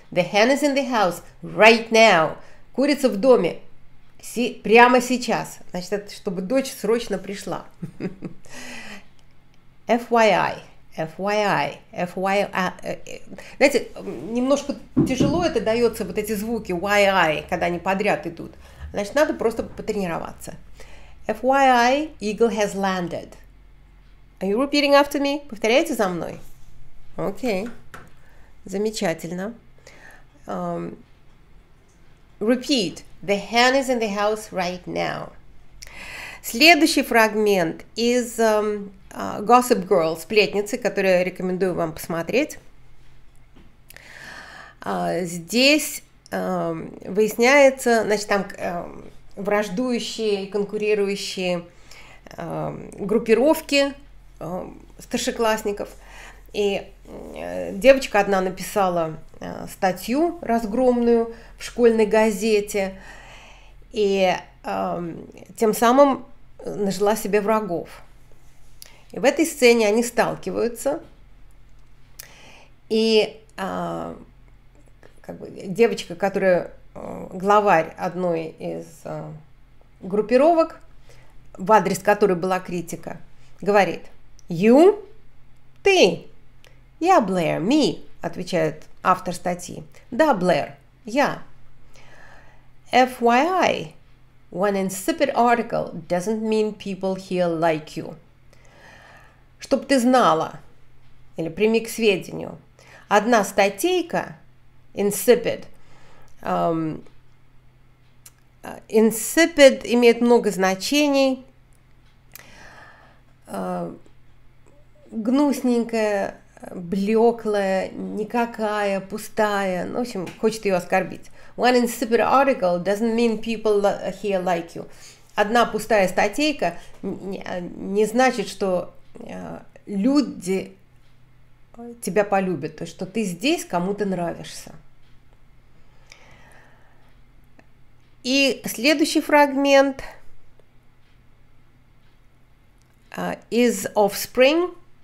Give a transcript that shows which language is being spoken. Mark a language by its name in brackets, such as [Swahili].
[English] The hen is in the house right now. [Russian] Курица в доме. Прямо сейчас. Значит, это чтобы дочь срочно пришла. [English] FYI. FYI. FYI. [Russian] Знаете, немножко тяжело это дается, вот эти звуки YI, когда они подряд идут. Значит, надо просто потренироваться. [English] FYI, Eagle has landed. Are you repeating after me? [Russian] Повторяете за мной? Окей. Замечательно. [English] Repeat. The hen is in the house right now. [Russian] Следующий фрагмент из Gossip Girl, сплетницы, которую я рекомендую вам посмотреть. Здесь выясняется, значит, там враждующие, конкурирующие группировки старшеклассников. И девочка одна написала статью разгромную в школьной газете и тем самым нажила себе врагов. И в этой сцене они сталкиваются, и как бы девочка, которая главарь одной из группировок, в адрес которой была критика, говорит: [English] «You? [Russian] Ты?» «Я, Блэр, me», отвечает автор статьи. «Да, Блэр, я». [English] FYI, one insipid article doesn't mean people here like you. [Russian] Чтоб ты знала, или прими к сведению, одна статейка, insipid, insipid имеет много значений, гнусненькая, блеклая, никакая, пустая. Ну, в общем, хочет ее оскорбить. [English] One insipid article doesn't mean people here like you. [Russian] Одна пустая статейка не значит, что люди тебя полюбят, то есть, что ты здесь кому-то нравишься. И следующий фрагмент из Offspring.